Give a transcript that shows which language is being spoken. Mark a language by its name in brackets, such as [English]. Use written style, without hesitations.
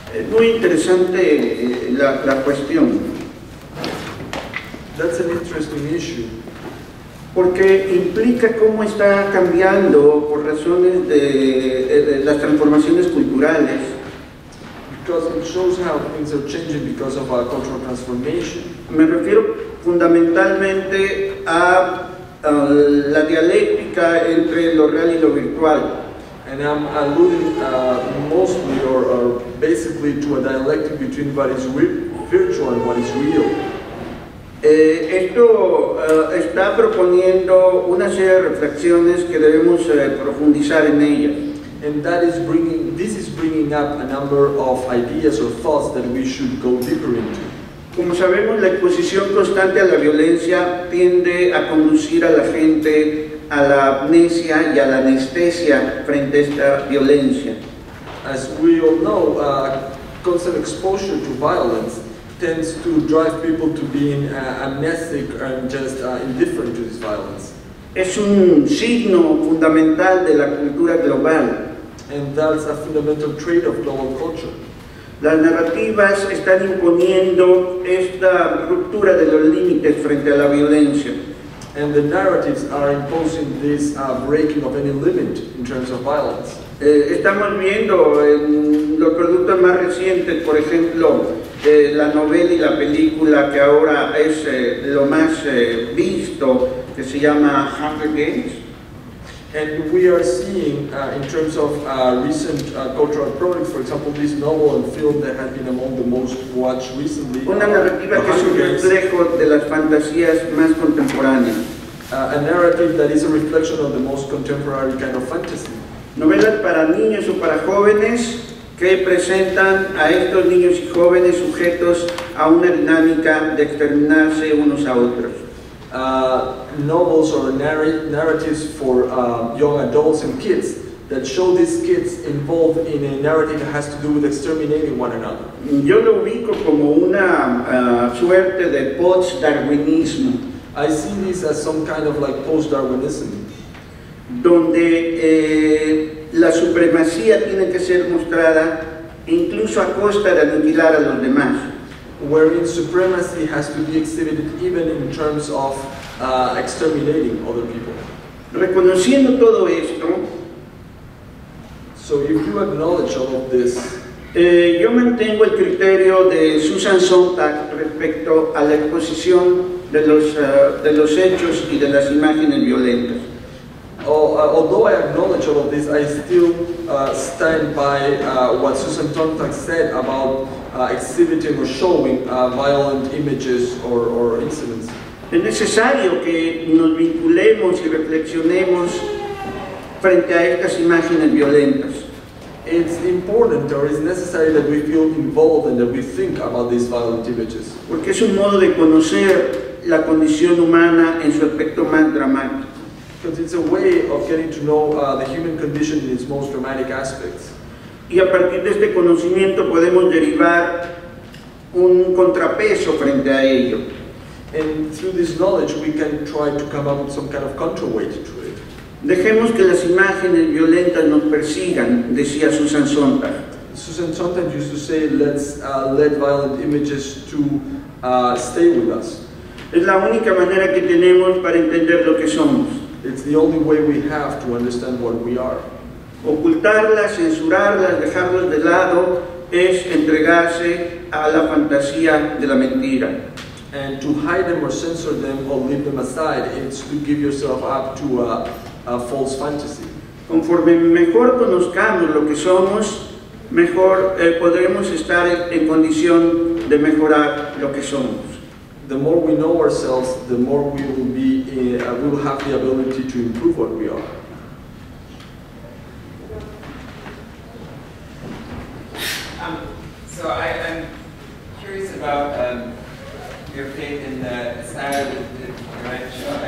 [Spanish] Muy interesante la cuestión. [English] That's an interesting issue. [Spanish] Porque implica cómo está cambiando por razones de las transformaciones culturales. [English] Because it shows how things are changing because of our cultural transformation. [Spanish] Me refiero fundamentalmente a la dialéctica entre lo real y lo virtual. [English] And I'm alluding mostly or basically to a dialectic between what is virtual and what is real. [Spanish] Esto está proponiendo una serie de reflexiones que debemos profundizar en ellas. [English] And that is bringing, this is bringing up a number of ideas or thoughts that we should go deeper into. [Spanish] Como sabemos, la exposición constante a la violencia tiende a conducir a la gente a la amnesia y a la anestesia frente a esta violencia. [English] As we all know, constant exposure to violence tends to drive people to being amnesic and just indifferent to this violence. [Spanish] Es un signo fundamental de la cultura global. [English] And that's a fundamental trait of global culture. [Spanish] Las narrativas están imponiendo esta ruptura de los límites frente a la violencia. [English] And the narratives are imposing this breaking of any limit in terms of violence. [Spanish] Estamos viendo en los productos más recientes, por ejemplo, la novela y la película que ahora es lo más visto, que se llama Hunger Games. [English] And we are seeing, in terms of recent cultural products, for example, this novel and film that has been among the most watched recently. [Spanish] Una narrativa que es un reflejo de las fantasías más contemporáneas. [English] A narrative that is a reflection of the most contemporary kind of fantasy. [Spanish] Novelas para niños o para jóvenes que presentan a estos niños y jóvenes sujetos a una dinámica de exterminarse unos a otros. [English] Novels or narratives for young adults and kids that show these kids involved in a narrative that has to do with exterminating one another. [Spanish] Yo lo ubico como una suerte de post-darwinismo. [English] I see this as some kind of like post-darwinism. [Spanish] Donde la supremacía tiene que ser mostrada incluso a costa de aniquilar a los demás. [English] Wherein supremacy has to be exhibited even in terms of exterminating other people. [Spanish] Reconociendo todo esto, [English] so if you acknowledge all of this, [Spanish] yo mantengo el criterio de Susan Sontag respecto a la exposición de los hechos y de las imágenes violentas. [English] Although I acknowledge all of this, I still stand by what Susan Sontag said about exhibiting or showing violent images or incidents. [Spanish] Es necesario que nos vinculemos y reflexionemos frente a estas imágenes violentas. [English] It's important or it's necessary that we feel involved and that we think about these violent images. [Spanish] Porque es un modo de conocer la condición humana en su aspecto más dramático. [English] Because it's a way of getting to know the human condition in its most dramatic aspects. [Spanish] Y a partir de este conocimiento podemos derivar un contrapeso frente a ello. [English] And through this knowledge we can try to come up with some kind of counterweight to it. [Spanish] Dejemos que las imágenes violentas nos persigan, decía Susan Sontag. [English] Susan Sontag used to say, let's let violent images to stay with us. [Spanish] Es la única manera que tenemos para entender lo que somos. [English] It's the only way we have to understand what we are. [Spanish] Ocultarlas, censurarlas, dejarlas de lado es entregarse a la fantasía de la mentira. [English] And to hide them or censor them or leave them aside is to give yourself up to a false fantasy. [Spanish] Conforme mejor conozcamos lo que somos, mejor podremos estar en condición de mejorar lo que somos. [English] The more we know ourselves, the more we will be we will have the ability to improve what we are. So I'm curious about your faith in the style of the Tonight Show.